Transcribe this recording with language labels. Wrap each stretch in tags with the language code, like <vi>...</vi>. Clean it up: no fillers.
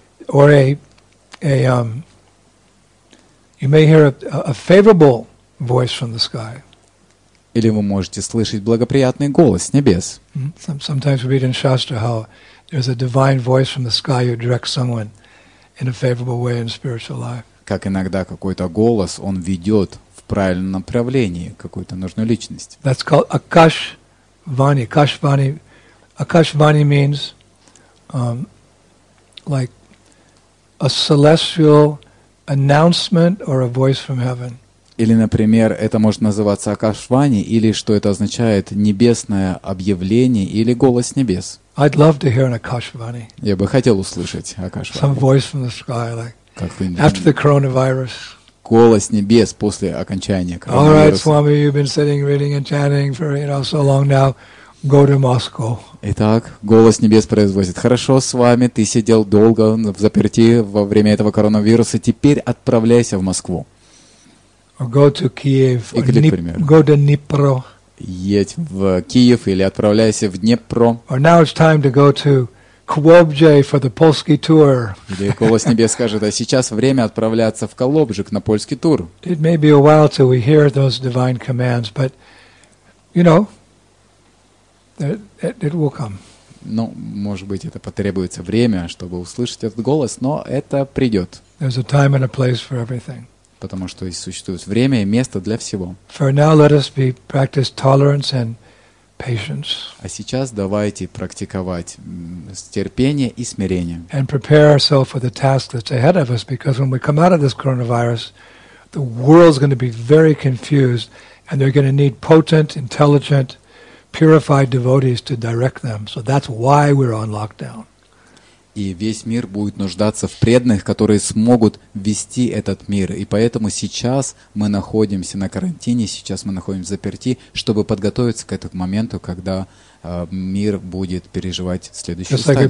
<en>Or you may hear a favorable voice from the sky.</en> <ru>Или вы можете слышать благоприятный голос с небес.</ru> <en>Sometimes we read in Shastra how there's a divine voice from the sky who directs someone in a favorable way in spiritual life.</en> <ru>Как иногда какой-то голос, он ведет в правильном направлении какую-то нужную личность.</ru> <en>That's called Akashvani. Akashvani. Akashvani means like a celestial announcement or a voice from heaven.</en> <ru>Или, например, это может называться Акашвани, или что это означает небесное объявление или голос небес.</ru> <en>I'd love to hear an Akashvani.</en> <ru>Я бы хотел услышать Акашвани.</ru> <en>Some voice from the sky, like after the coronavirus.</en> <ru>Голос небес после окончания коронавируса.</ru> <en>All right, Swami, you've been sitting, reading and chanting for, you know, so long now. Go to Moscow.</en> <ru>Итак, голос небес произносит: хорошо, с вами ты сидел долго в заперти во время этого коронавируса, теперь отправляйся в Москву.</ru> <en>Or go to Kiev,</en> <ru>или,</ru> <en>or go to Dnipro.</en> <ru>Едь в Киев или отправляйся в Днепро.</ru> <en>Or now it's time to go to Kłobrzeń for the Polski tour.</en> <ru>Или голос небес скажет, а сейчас время отправляться в Калобжик на польский тур.</ru> <en>It may be a while till we hear those divine commands, but, you know, it will come.</en> <ru>Ну, может быть, это потребуется время, чтобы услышать этот голос, но это придет.</ru> <en>There's a time and a place for everything.</en> <ru>Потому что существует время и место для всего.</ru> <en>For now, let us be practice tolerance and patience.</en> <ru>А сейчас давайте практиковать терпение и смирение.</ru> <en>And prepare ourselves for the task that's ahead of us, because when we come out of this coronavirus, the world's going to be very confused, and they're going to need potent, intelligent, purified devotees to direct them. So that's why we're on lockdown.</en> <ru>И весь мир будет нуждаться в преданных, которые смогут вести этот мир. И поэтому сейчас мы находимся на карантине, сейчас мы находимся заперти, чтобы подготовиться к этому моменту, когда мир будет переживать следующую стадию.</ru>